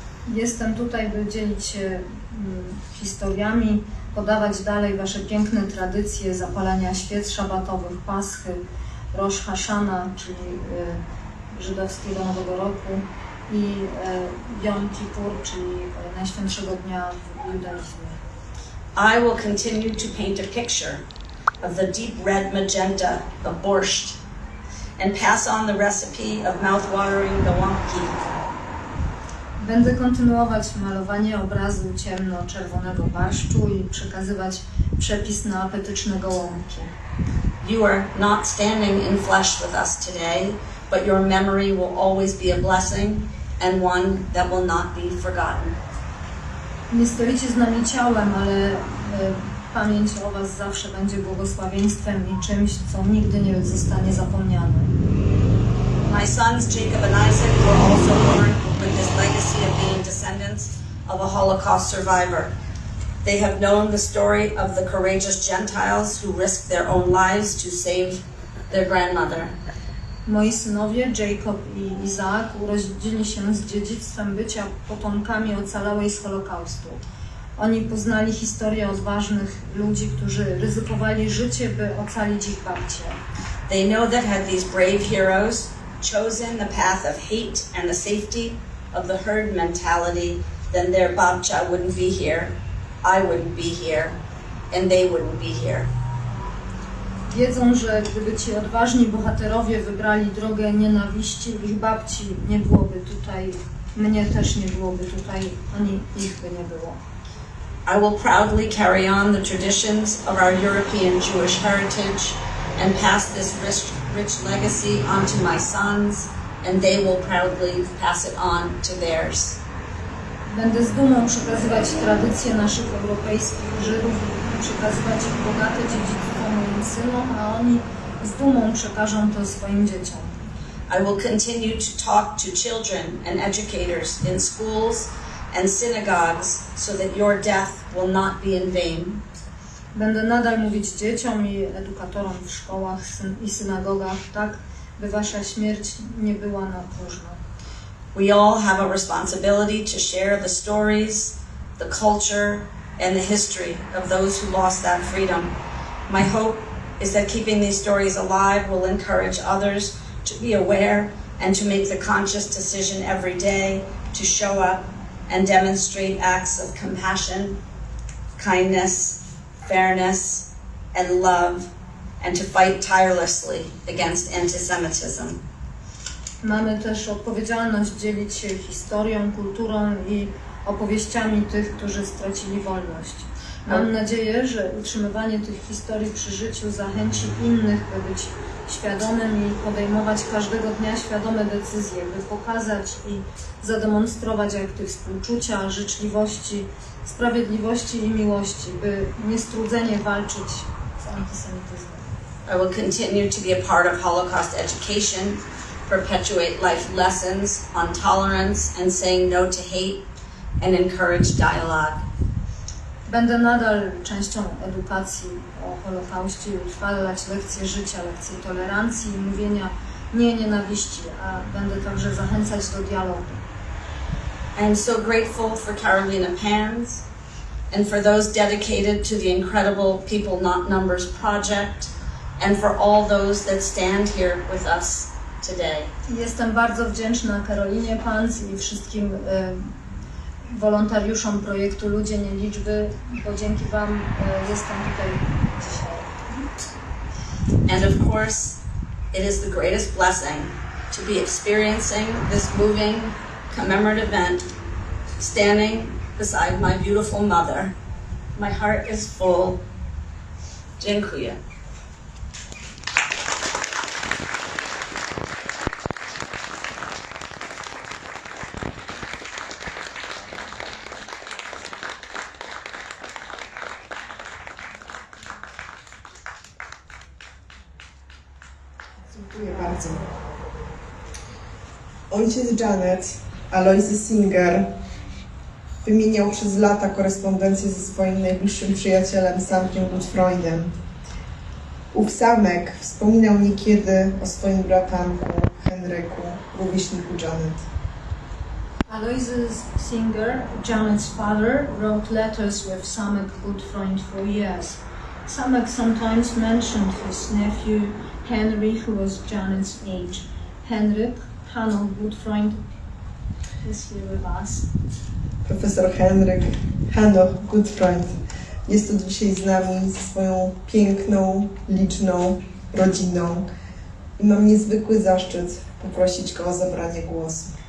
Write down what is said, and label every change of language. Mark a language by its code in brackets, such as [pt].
[pl] Jestem tutaj, by dzielić się historiami, podawać dalej wasze piękne tradycje zapalania świec szabatowych, Paschy, Rosh Hashanah, czyli żydowskiego Nowego Roku, i Yom Kippur, czyli Najświętszego Dnia w judaizmie. [en] I will continue to paint a picture of the deep red magenta of borscht and pass on the recipe of mouth-watering gałąbki. [pl] Będę kontynuować malowanie obrazu ciemno-czerwonego barszczu i przekazywać przepis na apetyczne gołąbki. [en] You are not standing in flesh with us today, but your memory will always be a blessing and one that will not be forgotten. [pl] Nie stoicie z nami ciałem, ale pamięć o was zawsze będzie błogosławieństwem i czymś, co nigdy nie zostanie zapomniane. [en] My sons Jacob and Isaac were also born with this legacy of being descendants of a Holocaust survivor. They have known the story of the courageous Gentiles who risked their own lives to save their grandmother. [pl] Moi synowie, Jacob i Izaak, urodzili się z dziedzictwem bycia potomkami ocalałej z Holokaustu. Oni poznali historię odważnych ludzi, którzy ryzykowali życie, by ocalić ich babcię. [en] They know that had these brave heroes chosen the path of hate and the safety of the herd mentality, then their babcia wouldn't be here, I wouldn't be here, and they wouldn't be here. [pl] Wiedzą, że gdyby ci odważni bohaterowie wybrali drogę nienawiści, ich babci nie byłoby tutaj, mnie też nie byłoby tutaj, ani ich by nie było. [en] I will proudly carry on the traditions of our European Jewish heritage and pass this rich legacy on to my sons, and they will proudly pass it on to theirs. [pl] Będę z dumą przekazywać tradycje naszych europejskich Żydów, przekazywać ich bogate dziedzictwo moim synom, a oni z dumą przekażą to swoim dzieciom. [en] I will continue to talk to children and educators in schools and synagogues so that your death will not be in vain. [pl] Będę nadal mówić dzieciom i edukatorom w szkołach i synagogach tak, by wasza śmierć nie była na próżno. [en] We all have a responsibility to share the stories, the culture, and the history of those who lost that freedom. My hope is that keeping these stories alive will encourage others to be aware and to make the conscious decision every day to show up and demonstrate acts of compassion, kindness, fairness, and love, and to fight tirelessly against antisemitism. [pl] Mamy też odpowiedzialność dzielić się historią, kulturą i opowieściami tych, którzy stracili wolność. Mam nadzieję, że utrzymywanie tych historii przy życiu zachęci innych, by być świadomym i podejmować każdego dnia świadome decyzje, by pokazać i zademonstrować akty współczucia, życzliwości, sprawiedliwości i miłości, by niestrudzenie walczyć z antysemityzmem. [en] I will continue to be a part of Holocaust education, perpetuate life lessons on tolerance and saying no to hate, and encourage dialogue. [pl] Będę nadal częścią edukacji o Holokauście i utrwalać lekcje życia, lekcje tolerancji i mówienia nie nienawiści, a będę także zachęcać do dialogu. [en] I am so grateful for Carolina Pans and for those dedicated to the incredible People Not Numbers project and for all those that stand here with us today. [pl] Jestem bardzo wdzięczna Karolinie Pans i wszystkim wolontariuszom projektu Ludzie Nie Liczby, bo dzięki wam jestem tutaj dzisiaj. [en] And of course, it is the greatest blessing to be experiencing this moving commemorative event, standing beside my beautiful mother. My heart is full. [pl] Dziękuję. Ojciec Janet, Alojzy Singer, wymieniał przez lata korespondencję ze swoim najbliższym przyjacielem, Samkiem Gutfreundem. Ów Samek wspominał niekiedy o swoim bratanku Henryku, rówieśniku Janet. [en] Aloysius Singer, Janet's father, wrote letters with Samek Gutfreund for years. Samek sometimes mentioned his nephew Henry, who was Janet's age. Henryk, Hanel Gutfreund, is here with us. [pl] Profesor Henryk, Hanel Gutfreund, jest tu dzisiaj z nami ze swoją piękną, liczną rodziną i mam niezwykły zaszczyt poprosić go o zabranie głosu.